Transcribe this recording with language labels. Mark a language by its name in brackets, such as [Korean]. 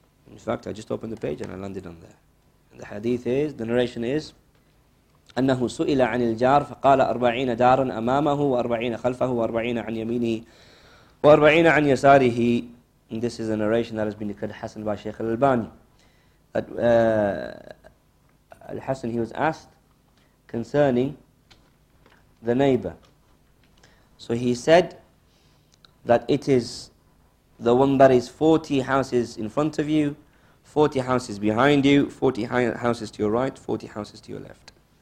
[English] In fact, I just opened the page and I landed on there. And the hadith is, the narration is, [Arabic] أنه سئل عن الجار فقال 40 دارا أمامه و40 خلفه و40 عن يمينه و40 عن يساره. [English] And this is a narration that has been declared Hassan by Sheikh Al-Albani. Al-Hassan, he was asked concerning the neighbor. So he said that it is the one that is 40 houses in front of you, 40 houses behind you, 40 houses to your right, 40 houses to your left.